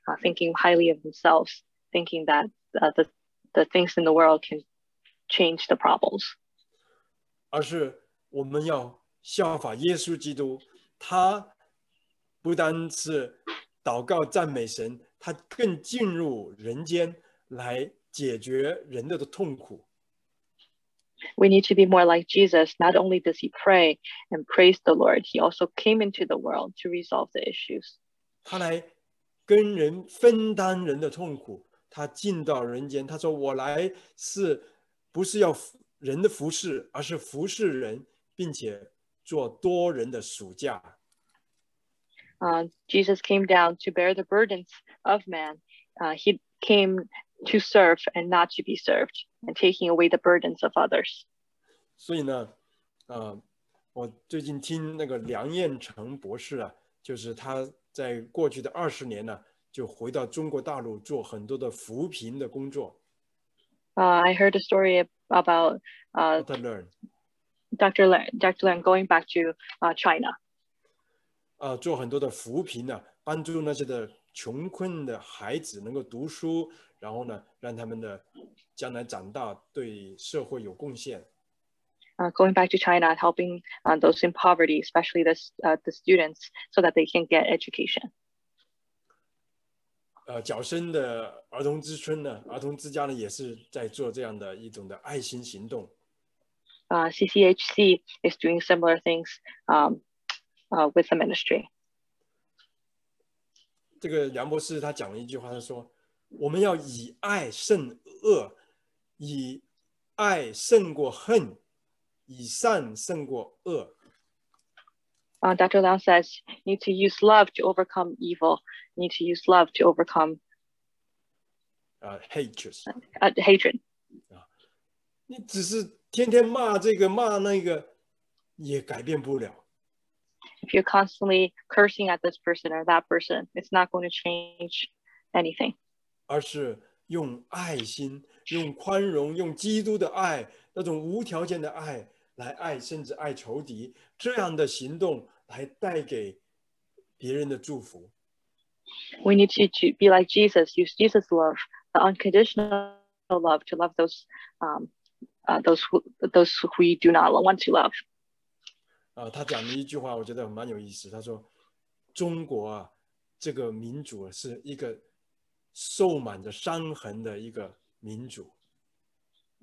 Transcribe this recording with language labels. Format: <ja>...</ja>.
<en>Thinking highly of themselves, thinking that the things in the world can change the problems.</en> <zh>而是我们要效法耶稣基督，他不单是祷告赞美神，他更进入人间来解决人的痛苦。</zh> <en>We need to be more like Jesus. Not only does he pray and praise the Lord, he also came into the world to resolve the issues.</en> <zh>他来跟人分担人的痛苦，他进到人间，他说我来是不是要人的服侍，而是服侍人，并且做多人的属价。</zh> <en>Jesus came down to bear the burdens of man. He came to serve and not to be served. And taking away the burdens of others.</en> <zh>所以呢，我最近听那个梁彦成博士啊，就是他在过去的20年呢，就回到中国大陆做很多的扶贫的工作。</zh> <en>I heard a story about Dr. Len going back to China.</en> <zh>做很多的扶贫呢，帮助那些的穷困的孩子能够读书，然后呢，让他们的将来长大对社会有贡献。</zh> <en>Going back to China, helping those in poverty, especially the students, so that they can get education.</en> <zh>角声的儿童之春呢，儿童之家呢，也是在做这样的一种的爱心行动。</zh> <en>CCHC is doing similar things, with the ministry.</en> <zh>这个梁博士他讲了一句话，他说。我们要以爱胜恶，以爱胜过恨，以善胜过恶。</zh> <en>Dr. Liang says, need to use love to overcome evil. Need to use love to overcome hatred.</en> <zh>你只是天天骂这个骂那个，也改变不了。</zh> <en>If you're constantly cursing at this person or that person, it's not going to change anything.</en> <zh>而是用爱心，用宽容，用基督的爱，那种无条件的爱来爱，甚至爱仇敌，这样的行动来带给别人的祝福。</zh> <en>We need to be like Jesus, use Jesus' love, the unconditional love to love those who we do not want to love.</en> <zh>他讲了一句话，我觉得蛮有意思。他说：“中国啊，这个民族是一个受满着伤痕的一个民族。”</zh>